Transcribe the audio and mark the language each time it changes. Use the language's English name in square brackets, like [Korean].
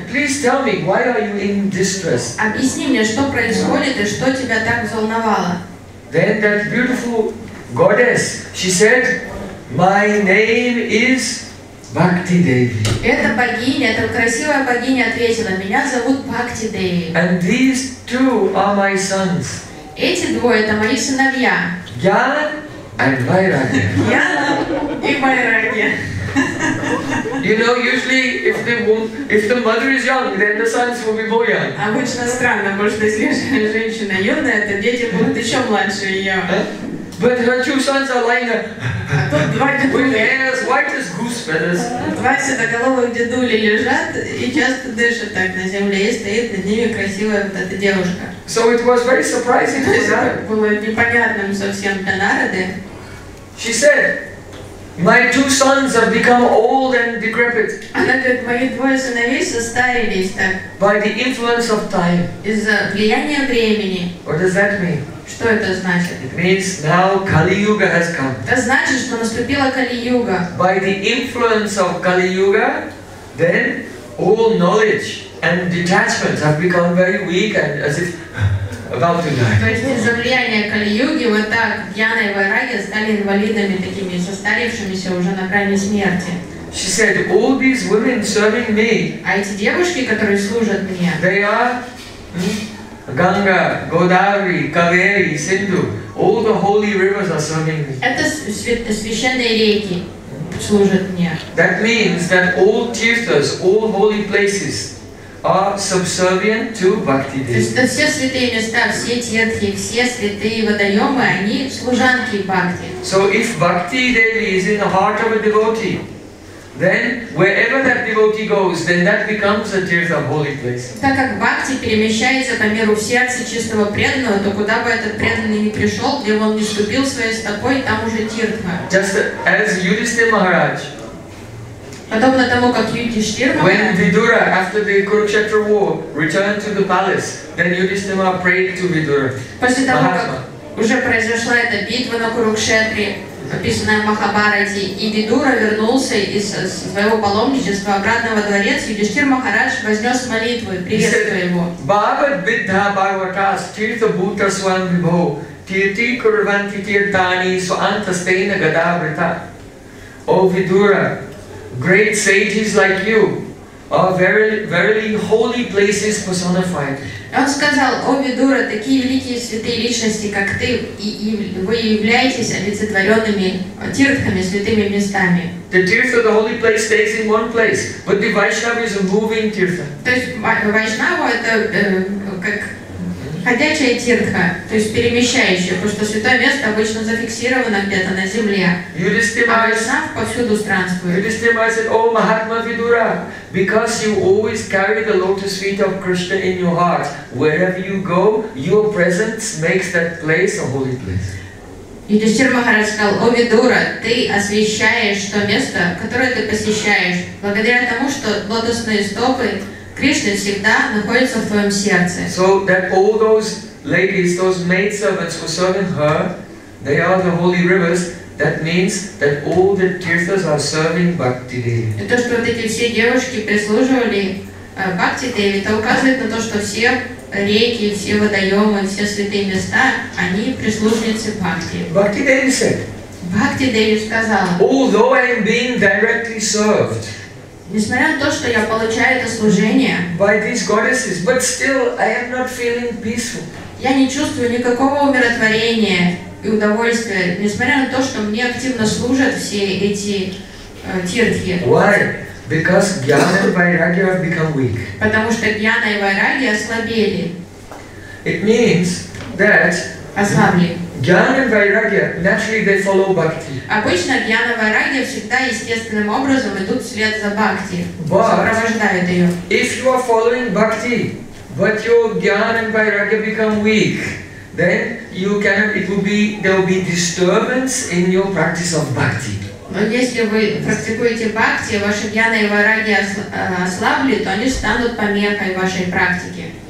[English] Please tell me, why are you in distress? [Russian] Объясни мне, что происходит и что тебя так взволновало? [English] Then that beautiful goddess, she said, "My name is Bhakti Devi." [Russian] Эта богиня, эта красивая богиня ответила, "Меня зовут Бхакти Деви." [English] And these two are my sons. [Russian] Эти двое это мои сыновья. [English] Gyan And Vairagya. Yeah, in Vairagya. You know, usually if the mother is young, then the sons will be more young. [Russian] Обычно странно, может, если женщина юная, то дети будут еще младше ее. [English] But her two sons are lying there with hairs white as goose feathers. [Russian] Два седоголовых дедули лежат и часто дышат так на земле, и стоит над ними красивая вот эта девушка. [English] So it was very surprising for Narada. [Russian] Было непонятным совсем для Нарады. [English] She said, my two sons have become old and decrepit. [Russian] Она говорит, мои двое сыновей состарились так. [English] By the influence of time. [Russian] Из-за влияния времени. [English] What does that mean? [Russian] Что это значит? [English] It means now Kali Yuga has come. [Russian] Это значит, что наступила Кали Юга. [English] By the influence of Kali Yuga, then all knowledge and detachment have become very weak and as if about to die. [Russian] То есть из-за влияния Кали Юги вот так Дьяна и Вайраги стали инвалидами такими, состарившимися уже на грани смерти. [English] She said, all these women serving me. [Russian] А эти девушки, которые служат мне. [English] They are. Ганга, Годаври, Кавери, Синду, all the holy rivers are serving me. [Russian] Это священные реки служат мне. [English] That means that all tirthas, all holy places, are subservient to Bhakti Devi. [Russian] То есть все святые места, все тирхи, все святые водоемы, они служанки Бхакти. [English] So if Bhakti Devi is in the heart of a devotee, then wherever that devotee goes, then that becomes a tirtha, holy place. [Russian] Так как бхакти перемещается по миру в сердце чистого преданного, то куда бы этот преданный ни пришел, где бы он ни ступил своей стопой, там уже тиртха. [English] Just as Yudhishthira Maharaj. [Russian] Подобно тому, как Юдхиштхира Махарадж. [English] When Vidura, after the Kurukshetra war, returned to the palace, then Yudhishthira prayed to Vidura. [Russian] После того, как уже произошла эта битва на Курукшетре, описанная в Махабхарате, и Видура вернулся из своего паломничества обратно во дворец, Юдхиштхира Махарадж вознес молитву и приветствовал его. [Sanskrit] Бхагават Бидха Бхагаватас Тирта Бхута Сван Вибхо Тирти Курванти Тиртани Суантастейна Гадаврита. [English] О Видура, great sages like you are verily holy places personified. [Russian] Он сказал, о Видура, такие великие святые личности, как ты, и вы являетесь олицетворенными тиртхами, святыми местами. [English] The tirtha, the holy place, stays in one place, but the Vaishnava is a moving tirtha. [Russian] То есть Вайшнава это как ходячая тиртха, то есть перемещающая, потому что святое место обычно зафиксировано где-то на земле, а Вайшнав повсюду странствует. [English] Yudhishthira said, о Махатма Видура, because you always carry the lotus feet of Krishna in your heart, wherever you go, your presence makes that place a holy place. [Russian] Yudhishthira Maharaj сказал, о Видура, ты освещаешь то место, которое ты посещаешь, благодаря тому, что лотосные стопы Кришна всегда находится в твоем сердце. [English] So that all those ladies, those maidservants who serve her, they are the holy rivers. That means that all the tirthas are serving Bhakti Devi. [Russian] То, что вот эти все девушки прислуживали Бхакти Деви, это указывает на то, что все реки, все водоемы, все святые места, они прислужницы Бхакти. [English] Bhakti Devi said. [Russian] Bhakti Devi сказала. [English] Although I am being directly served. [Russian] Несмотря на то, что я получаю это служение, [English] by these goddesses, but still I am not feeling peaceful. [Russian] Я не чувствую никакого умиротворения и удовольствия, несмотря на то, что мне активно служат все эти тиртхи. [English] Why? Because Jnana and Vairagya have become weak. [Russian] Потому что Jnana и Vairagya ослабели. [English] It means that [Russian] ослабли. [English] Jnana and Vairagya, naturally they follow Bhakti. [Russian] Обычно Jnana и Vairagya всегда естественным образом идут вслед за Бхакти, сопровождают ее. [English] If you are following Bhakti, but your Jnana and Vairagya become weak, then you can, there will be disturbance in your practice of Bhakti. [Russian] Но если вы практикуете Бхакти, ваши Jnana и Vairagya ослабли, то они станут помехой вашей практике.